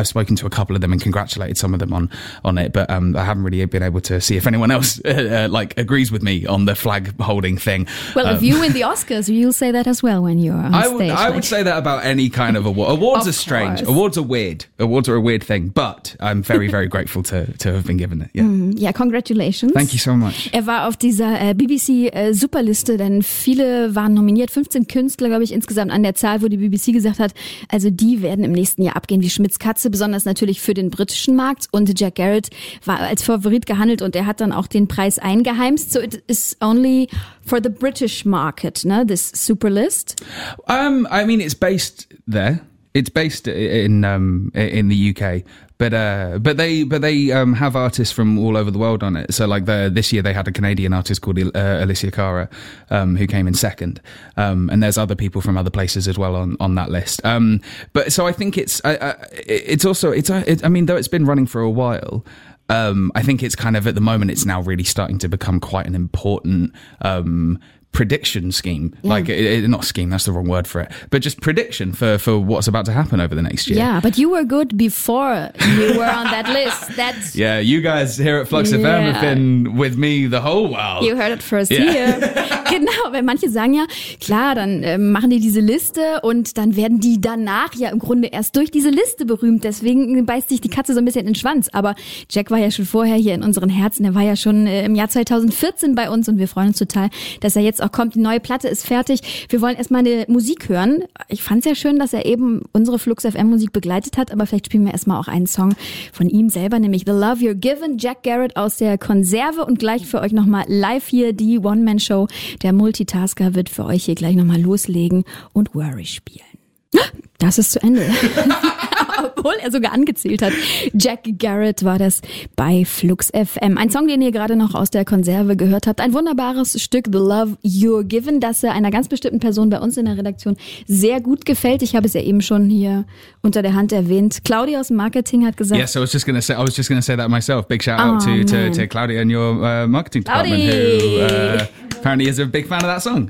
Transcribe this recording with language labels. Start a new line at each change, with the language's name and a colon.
English: I've spoken to a couple of them and congratulated some of them on it, but I haven't really been able to see if anyone else like agrees with me on the flag holding thing. Well, if you win the Oscars, you'll say that as well when you're on stage. I would say that about any kind of award. Awards are strange. Awards are weird. Awards are a weird thing, but I'm very, very grateful to have been given it. Yeah. Mm, yeah, congratulations. Thank you so much.
German: Auf dieser BBC-Superliste, denn viele waren nominiert, 15 Künstler, glaube ich, insgesamt an der Zahl, wo die BBC gesagt hat, also die werden im nächsten Jahr abgehen wie Schmidts Katze, besonders natürlich für den britischen Markt. Und Jack Garrett war als Favorit gehandelt und er hat dann auch den Preis eingeheimst.
English: So it is only for the British market, ne, this Superlist? I mean, it's based there. It's based in the UK. But they have artists from all over the world on it. So like this year they had a Canadian artist called Alicia Cara, who came in second. And there's other people from other places as well on that list. But I think it's been running for a while. I think it's kind of at the moment, it's now really starting to become quite an important, prediction scheme, like not scheme, that's the wrong word for it, but just prediction for what's about to happen over the next year. Yeah, but you were good before you were on that list. That's yeah, you guys here at Flux FM have been with me the whole while. You heard it first here.
German: Genau, weil manche sagen ja, klar, dann machen die diese Liste und dann werden die danach ja im Grunde erst durch diese Liste berühmt. Deswegen beißt sich die Katze so ein bisschen in den Schwanz. Aber Jack war ja schon vorher hier in unseren Herzen. Er war ja schon im Jahr 2014 bei uns und wir freuen uns total, dass er jetzt auch kommt. Die neue Platte ist fertig. Wir wollen erstmal eine Musik hören. Ich fand es ja schön, dass er eben unsere Flux FM Musik begleitet hat. Aber vielleicht spielen wir erstmal auch einen Song von ihm selber, nämlich The Love You're Given, Jack Garrett aus der Konserve. Und gleich für euch nochmal live hier die One-Man-Show. Der Multitasker wird für euch hier gleich nochmal loslegen und Worry spielen. Das ist zu Ende. Obwohl er sogar angezählt hat. Jack Garrett war das bei Flux FM. Ein Song, den ihr gerade noch aus der Konserve gehört habt. Ein wunderbares Stück, The Love You're Given, das einer ganz bestimmten Person bei uns in der Redaktion sehr gut gefällt. Ich habe es ja eben schon hier unter der Hand erwähnt. Claudia aus Marketing hat gesagt...
English: Yes, I was just gonna say that myself. Big shout out to Claudia and your marketing department. Apparently is a big fan of that song.